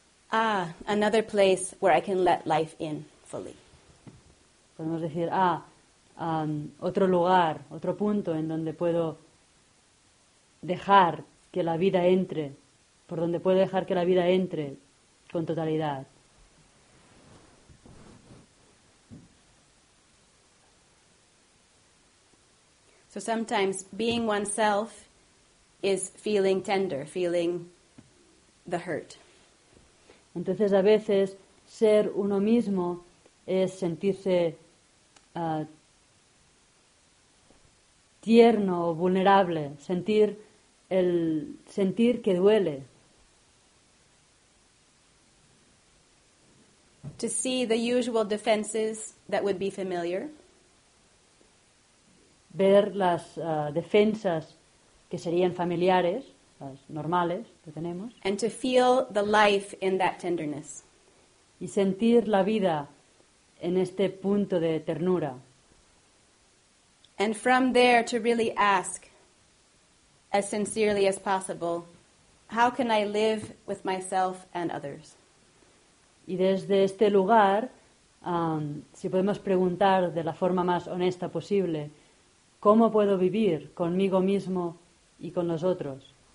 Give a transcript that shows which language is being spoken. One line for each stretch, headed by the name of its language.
English: Ah, another place where I can let life in fully.
Spanish: Podemos decir, otro lugar, otro punto en donde puedo dejar que la vida entre, por donde puedo dejar que la vida entre con totalidad.
English: So sometimes being oneself is feeling tender, feeling the hurt.
Spanish: Entonces a veces ser uno mismo es sentirse tierno o vulnerable, sentir que duele.
English: To see the usual defenses that would be familiar.
Spanish: Ver las defensas que serían familiares. las normales que tenemos.
English: And to feel the life in that tenderness.
Spanish: Y sentir la vida en este punto de ternura.
English: And from there to really ask, as sincerely as possible, how can I live with myself and others?
Spanish: Y desde este lugar, si podemos preguntar de la forma más honesta posible, ¿cómo puedo vivir conmigo mismo y con los otros?